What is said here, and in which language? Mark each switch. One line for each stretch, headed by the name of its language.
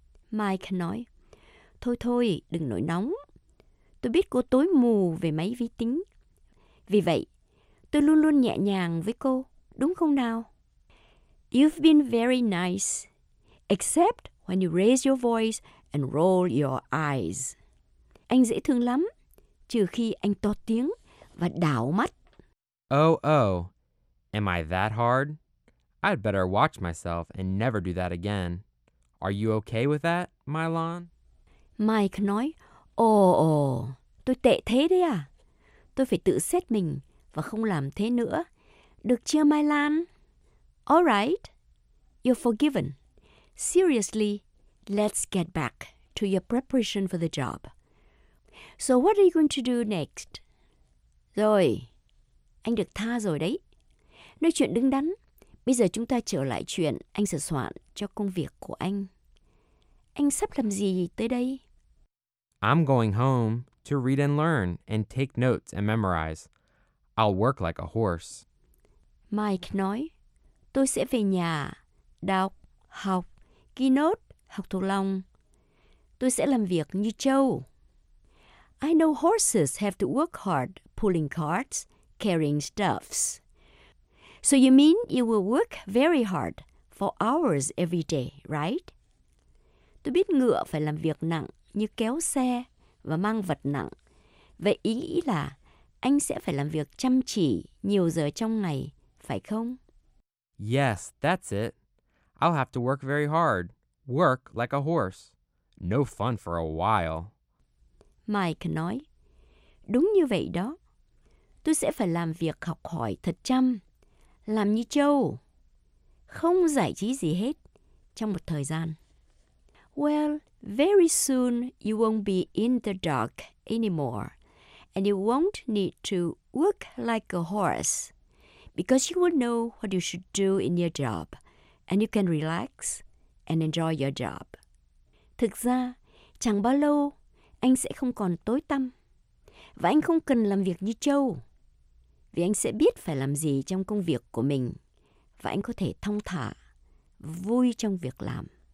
Vietnamese: Mike nói, thôi thôi, đừng nổi nóng. Tôi biết cô tối mù về máy vi tính. Vì vậy, tôi luôn luôn nhẹ nhàng với cô. Đúng không nào?
English: You've been very nice, except when you raise your voice and roll your eyes.
Vietnamese: Anh dễ thương lắm, trừ khi anh to tiếng và đảo mắt.
English: Oh, oh, am I that hard? I'd better watch myself and never do that again. Are you okay with that, Mylon?
Vietnamese: Mike nói, oh, tôi tệ thế đấy à. Tôi phải tự xét mình và không làm thế nữa. Được chưa, Mai Lan?
English: All right. You're forgiven. Seriously, let's get back to your preparation for the job. So what are you going to do next?
Vietnamese: Rồi, anh được tha rồi đấy. Nói chuyện đứng đắn. Bây giờ chúng ta trở lại chuyện anh sửa soạn cho công việc của anh. Anh sắp làm gì tới đây?
English: I'm going home to read and learn and take notes and memorize. I'll work like a horse.
Vietnamese: Mike nói, tôi sẽ về nhà, đọc, học, ghi nốt, học thuộc lòng. Tôi sẽ làm việc như trâu.
English: I know horses have to work hard pulling carts, carrying stuffs. So you mean you will work very hard for hours every day, right?
Vietnamese: Tôi biết ngựa phải làm việc nặng như kéo xe và mang vật nặng. Vậy ý nghĩ là anh sẽ phải làm việc chăm chỉ nhiều giờ trong ngày, phải không?
English: Yes, that's it. I'll have to work very hard. Work like a horse. No fun for a while.
Vietnamese: Mike nói, đúng như vậy đó. Tôi sẽ phải làm việc học hỏi thật chăm, làm như trâu, không giải trí gì hết trong một thời gian.
English: Well, very soon you won't be in the dark anymore, and you won't need to work like a horse, because you will know what you should do in your job, and you can relax and enjoy your job.
Vietnamese: Thực ra, chẳng bao lâu, anh sẽ không còn tối tăm, và anh không cần làm việc như trâu, vì anh sẽ biết phải làm gì trong công việc của mình, và anh có thể thong thả, vui trong việc làm.